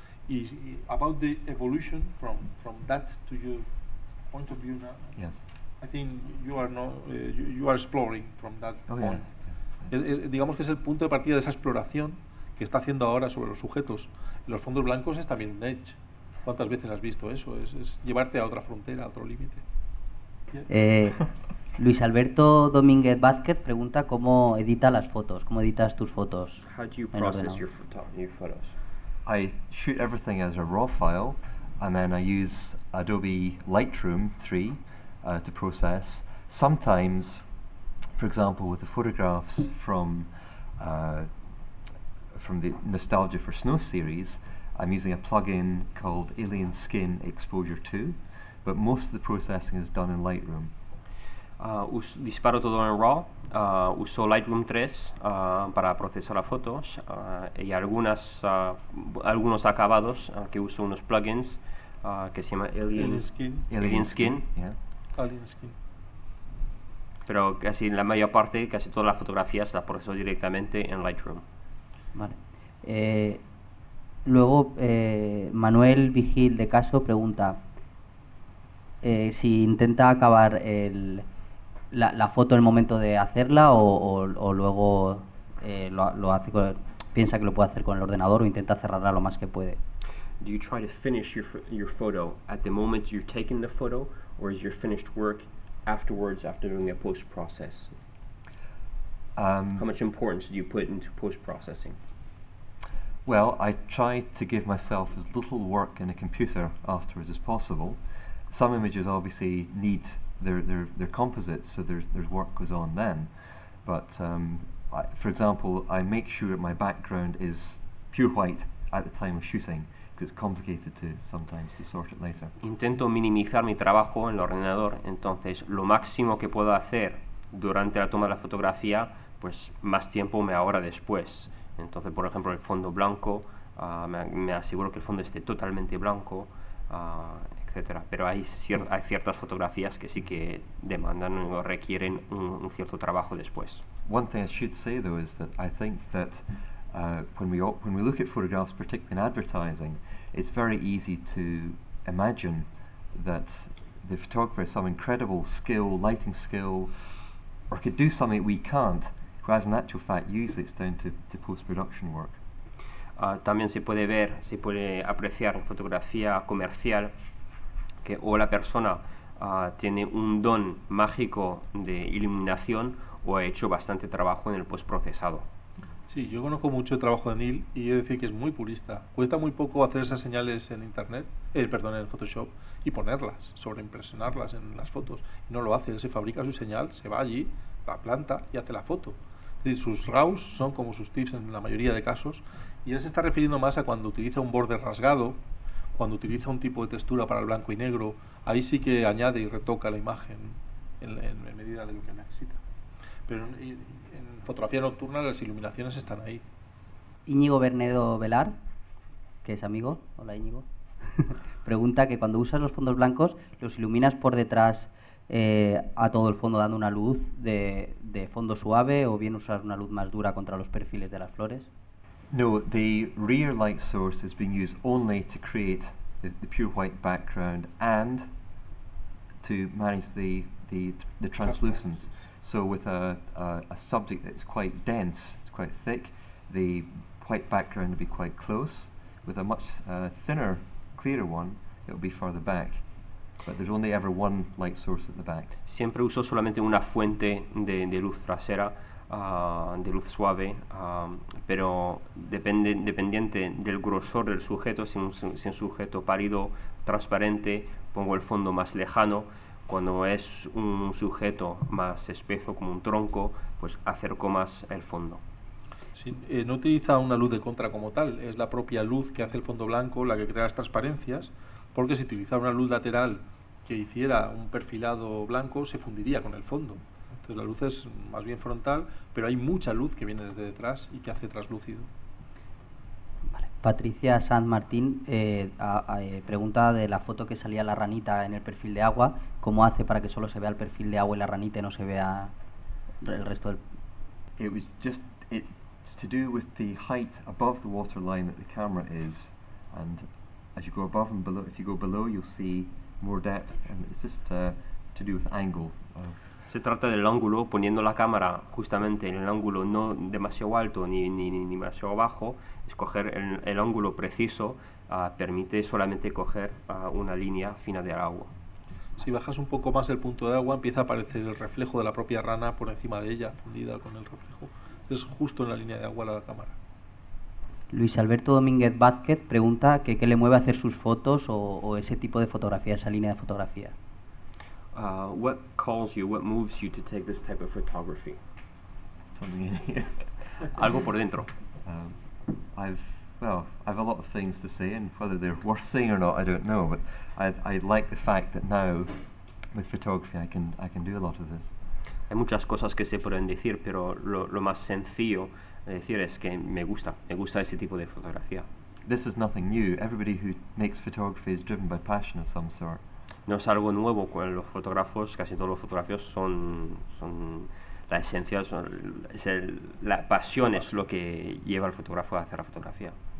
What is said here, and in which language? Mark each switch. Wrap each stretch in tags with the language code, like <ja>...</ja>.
<en>Y about the evolution from that to your point of view now. Yes. I think you are exploring from that point. Yes.</en> <es>Digamos que es el punto de partida de esa exploración que está haciendo ahora sobre los sujetos. Los fondos blancos es también un edge. ¿Cuántas veces has visto eso? Es llevarte a otra frontera, a otro límite.</es> <en>Yeah.</en> <es>Luis Alberto Domínguez Vázquez pregunta cómo edita las fotos, cómo editas tus fotos.</es> <en>How do you process your photos? I shoot everything as a raw file, and then I use Adobe Lightroom 3 to process. Sometimes, for example, with the photographs from the Nostalgia for Snow series, I'm using a plugin called Alien Skin Exposure 2. But most of the processing is done in Lightroom.</en> <es>Disparo todo en RAW, uso Lightroom 3 para procesar las fotos y algunos acabados que uso unos plugins que se llama Alien Skin.</es> <en>Yeah. Alien Skin.</en> <es>Pero casi la mayor parte, casi todas las fotografías las proceso directamente en Lightroom. Vale. Luego Manuel Vigil de Caso pregunta si intenta acabar la foto en el momento de hacerla o luego lo hace piensa que lo puede hacer con el ordenador o intenta cerrarla lo más que puede.</es> <en>Do you try to finish your photo at the moment you're taking the photo, or is your finished work afterwards after doing a post process? How much importance do you put into post processing? Well, I try to give myself as little work in a computer afterwards as possible. Some images obviously need they're composites, so there's work goes on then. But for example, I make sure my background is pure white at the time of shooting, because it's complicated to sort it later.</en> <es>Intento minimizar mi trabajo en el ordenador, entonces lo máximo que puedo hacer durante la toma de la fotografía, pues más tiempo me ahorra después. Entonces, por ejemplo, el fondo blanco, me aseguro que el fondo esté totalmente blanco, etcétera. Pero hay ciertas fotografías que sí que demandan o requieren un cierto trabajo después.</es> <en>One thing I should say though is that I think that when we look at photographs, particularly in advertising, it's very easy to imagine that the photographer has some incredible skill, lighting skill, or could do something we can't, whereas in actual fact usually it's down to post-production work.</en> <es>También se puede apreciar en fotografía comercial que o la persona tiene un don mágico de iluminación o ha hecho bastante trabajo en el post-procesado. Sí, yo conozco mucho el trabajo de Neil y he de decir que es muy purista. Cuesta muy poco hacer esas señales en internet, perdón, en Photoshop, y ponerlas, sobreimpresionarlas en las fotos. No lo hace, él se fabrica su señal, se va allí, la planta y hace la foto. Es decir, sus RAWs son como sus tips en la mayoría de casos, y él se está refiriendo más a cuando utiliza un borde rasgado, cuando utiliza un tipo de textura para el blanco y negro, ahí sí que añade y retoca la imagen en medida de lo que necesita. Pero en fotografía nocturna las iluminaciones están ahí. Íñigo Bernedo Velar, que es amigo, hola Íñigo, pregunta que cuando usas los fondos blancos, ¿los iluminas por detrás a todo el fondo dando una luz de fondo suave o bien usas una luz más dura contra los perfiles de las flores?</es> <en>No, the rear light source is being used only to create the pure white background and to manage the translucence. So with a subject that's quite dense, it's quite thick, the white background would be quite close. With a much thinner, clearer one, it would be farther back. But there's only ever one light source at the back.</en> <es>Siempre uso solamente una fuente de luz trasera, de luz suave, pero dependiente del grosor del sujeto, si un sujeto pálido, transparente, pongo el fondo más lejano. Cuando es un sujeto más espeso, como un tronco, pues acerco más el fondo. Sí, no utiliza una luz de contra como tal, es la propia luz que hace el fondo blanco la que crea las transparencias, porque si utilizara una luz lateral que hiciera un perfilado blanco, se fundiría con el fondo. Entonces la luz es más bien frontal, pero hay mucha luz que viene desde detrás y que hace traslúcido. Vale. Patricia San Martín pregunta de la foto que salía la ranita en el perfil de agua, ¿cómo hace para que solo se vea el perfil de agua y la ranita y no se vea el resto del...?</es> <en>It was just, it's to do with the height above the waterline that the camera is, and as you go above and below, if you go below you'll see more depth, and it's just to do with angle.</en> <es>Se trata del ángulo, poniendo la cámara justamente en el ángulo no demasiado alto ni demasiado bajo, escoger el ángulo preciso permite solamente coger una línea fina de agua. Si bajas un poco más el punto de agua, empieza a aparecer el reflejo de la propia rana por encima de ella, fundida con el reflejo. Es justo en la línea de agua la cámara. Luis Alberto Domínguez Vázquez pregunta que qué le mueve a hacer sus fotos o ese tipo de fotografía, esa línea de fotografía.</es> <en>What calls you, what moves you to take this type of photography? Something in here.</en> <es>Algo por dentro.</es> <en>I've a lot of things to say, and whether they're worth saying or not, I don't know, but I like the fact that now, with photography, I can do a lot of this.</en> <es>Hay muchas cosas que se pueden decir, pero lo más sencillo de decir es que me gusta ese tipo de fotografía.</es> <en>This is nothing new. Everybody who makes photography is driven by passion of some sort.</en> <es>No es algo nuevo con los fotógrafos, casi todos los fotógrafos son la esencia, la pasión es lo que lleva al fotógrafo a hacer la fotografía.</es>